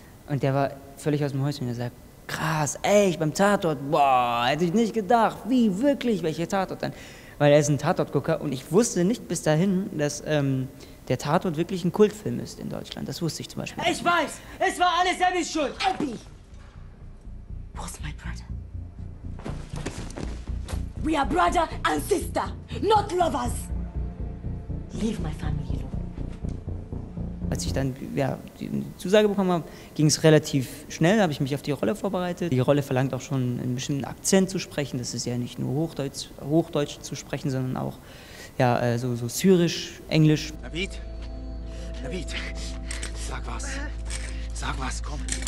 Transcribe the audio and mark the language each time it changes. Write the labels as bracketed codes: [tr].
[de] Und der war völlig aus dem Häuschen und er sagt, krass, echt, beim Tatort, boah, hätte ich nicht gedacht, wie, wirklich, welcher Tatort denn? Weil er ist ein Tatortgucker und ich wusste nicht bis dahin, dass der Tatort wirklich ein Kultfilm ist in Deutschland. Das wusste ich zum Beispiel. Ich weiß, es war alles Abbys Schuld. [en] Abby! Where's my brother? We are brother and sister, not lovers. Leave my family alone. [de] Als ich dann die Zusage bekommen habe, ging es relativ schnell, da habe ich mich auf die Rolle vorbereitet. Die Rolle verlangt auch schon einen bestimmten Akzent zu sprechen. Das ist ja nicht nur Hochdeutsch zu sprechen, sondern auch so Syrisch, Englisch. Navid, sag was. Sag was, komm.